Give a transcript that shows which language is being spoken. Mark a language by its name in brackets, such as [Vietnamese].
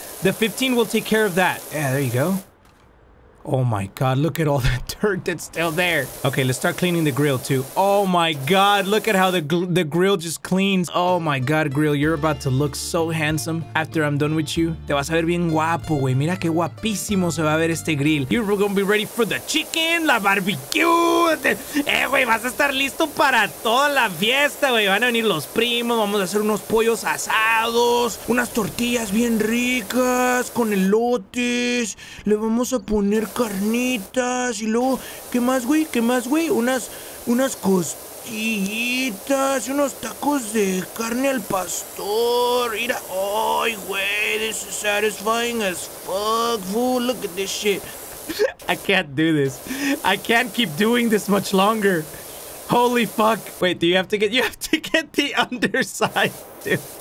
[English] The 15 will take care of that. Yeah, there you go. Oh my God, look at all that dirt that's still there. Okay, let's start cleaning the grill too. Oh my God, look at how the grill just cleans. Oh my God, grill, you're about to look so handsome after I'm done with you. [Spanish] Te vas a ver bien guapo, güey. Mira que guapísimo se va a ver este grill. [English] You're gonna be ready for the chicken, [Spanish] la barbecue. Güey, vas a estar listo para toda la fiesta, güey. Van a venir los primos, vamos a hacer unos pollos asados, unas tortillas bien ricas con elotes. Le vamos a poner carnitas y luego qué más güey unas costillitas y unos tacos de carne al pastor. Mira, ay güey, [English] this is satisfying as fuck, fool. Look at this shit. I can't do this. I can't keep doing this much longer. Holy fuck. Wait, do you have to get the underside, dude.